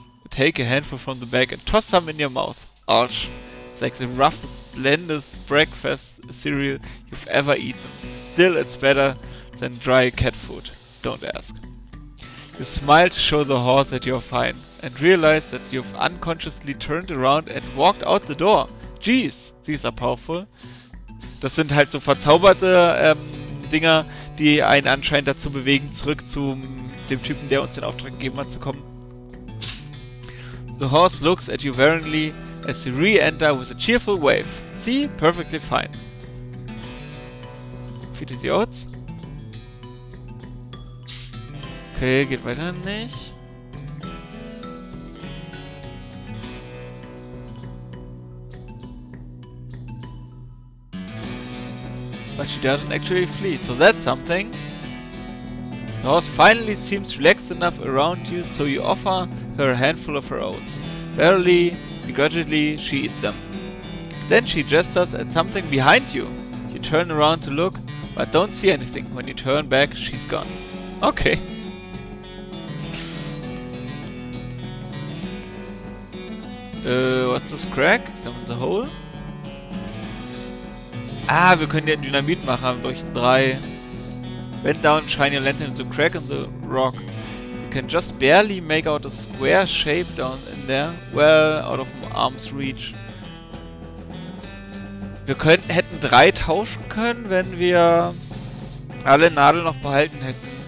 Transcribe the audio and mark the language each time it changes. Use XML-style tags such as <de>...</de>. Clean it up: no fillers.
<en>Take a handful from the bag and toss some in your mouth. Ouch. It's like the roughest, blandest breakfast cereal you've ever eaten. Still, it's better than dry cat food. Don't ask. You smile to show the horse that you're fine and realize that you've unconsciously turned around and walked out the door. Jeez, these are powerful.</en> <de>Das sind halt so verzauberte Dinger, die einen anscheinend dazu bewegen, zurück zu dem Typen, der uns den Auftrag gegeben hat, zu kommen.</de> <en>The horse looks at you warily as you re-enter with a cheerful wave. See? Perfectly fine. Feed the oats.</en> <de>Okay, geht weiter nicht.</de> <en>But she doesn't actually flee, so that's something. The horse finally seems relaxed enough around you, so you offer her a handful of her oats. Barely, begrudgingly, she eats them. Then she gestures at something behind you. You turn around to look, but don't see anything. When you turn back, she's gone. Okay. What's this crack? Someone's a hole?</en> <de>Ah, wir können hier Dynamit machen, haben wir euch drei.</de> <en>Bend down, shine your lantern into a crack in the rock. You can just barely make out a square shape down in there. Well, out of arm's reach.</en> <de>Wir könnten, hätten drei tauschen können, wenn wir alle Nadeln noch behalten hätten.</de>